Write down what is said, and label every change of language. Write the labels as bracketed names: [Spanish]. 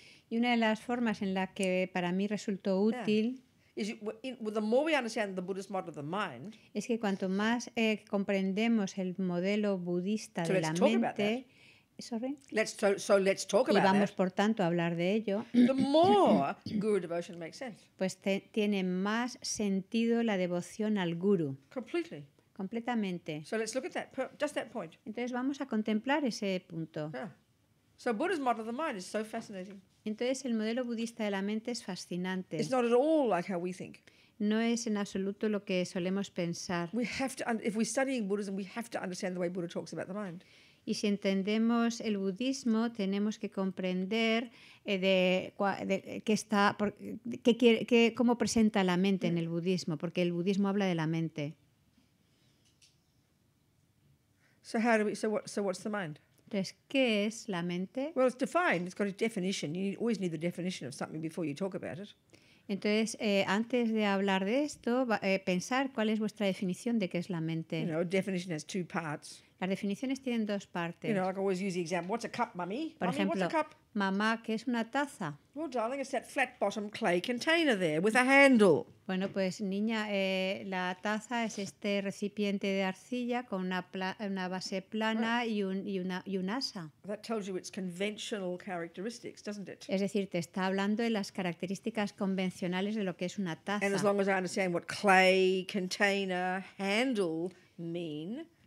[Spanish] Y una de las formas en la que para mí resultó útil. [English] Yeah. The more we understand the Buddhist model of the mind, [Spanish] es que cuanto más comprendemos el modelo budista de la mente, [English] let's talk about that. [Spanish] Y vamos por tanto a hablar de ello. [English] The more guru devotion makes sense. [Spanish] Pues tiene más sentido la devoción al guru. [English] Completely. [Spanish] Completamente. [English] So let's look at that, just that point. [Spanish] Entonces vamos a contemplar ese punto. [English] Yeah. So Buddha's model of the mind is so fascinating. [Spanish] Entonces el modelo budista de la mente es fascinante. [English] It's not at all like how we think. [Spanish] No es en absoluto lo que solemos pensar. [English] We have to, if we're studying Buddhism, we have to understand the way Buddha talks about the mind. [Spanish] Y si entendemos el budismo, tenemos que comprender cómo presenta la mente en el budismo, porque el budismo habla de la mente. [English] So what's the mind? [Spanish] Entonces, ¿qué es la mente? [English] Well, it's defined. It's got a definition. You always need the definition of something before you talk about it. [Spanish] Entonces, antes de hablar de esto, pensar cuál es vuestra definición de qué es la mente. [English] You know, definition has two parts. [Spanish] Las definiciones tienen dos partes. [English] You know, like I always use the example. What's a cup, mummy? [Spanish] Por ejemplo, [English] what's a cup? [Spanish] Mamá, ¿qué es una taza? [English] Well, darling, it's that flat-bottom clay container there with a handle. [Spanish] Bueno, pues niña, la taza es este recipiente de arcilla con una base plana y un asa. [English] That tells you its conventional characteristics, doesn't it? [Spanish] Es decir, te está hablando de las características convencionales de lo que es una taza. [English] And as long as I understand what clay container handle mean.